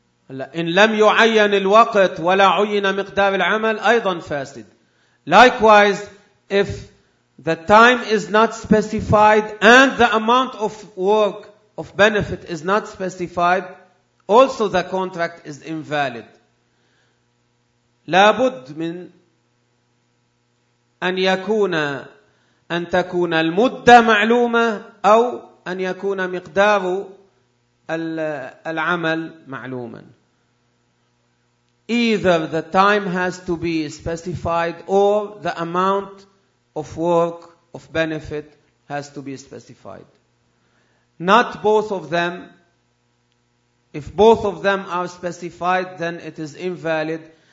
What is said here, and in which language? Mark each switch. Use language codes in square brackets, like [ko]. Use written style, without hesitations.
[ar] إن لم يعين الوقت ولا عين مقدار العمل أيضا فاسد. [en] Likewise, if the time is not specified and the amount of work of benefit is not specified, also the contract is invalid. [ar] لابد من أن يكون أن تكون المدة معلومة أو أن يكون مقدار العمل معلوما. [en] Either the time has to be specified or the amount of work of benefit has to be specified. Not both of them. If both of them are specified, then it is invalid.